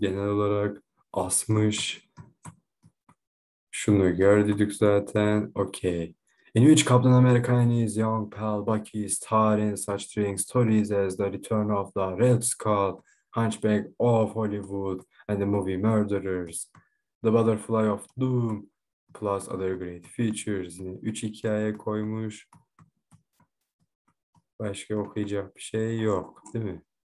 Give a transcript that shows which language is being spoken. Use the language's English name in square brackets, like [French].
[Turkish] Genel olarak asmış. Şunu gördük zaten. Okey. [English] In which Captain America and his young pal Bucky star in such things stories as The Return of the Red Skull, Hunchback of Hollywood, and the movie Murderers, The Butterfly of Doom, plus other great features. [Turkish] Yani üç hikaye koymuş. Başka okuyacak bir şey yok, değil mi?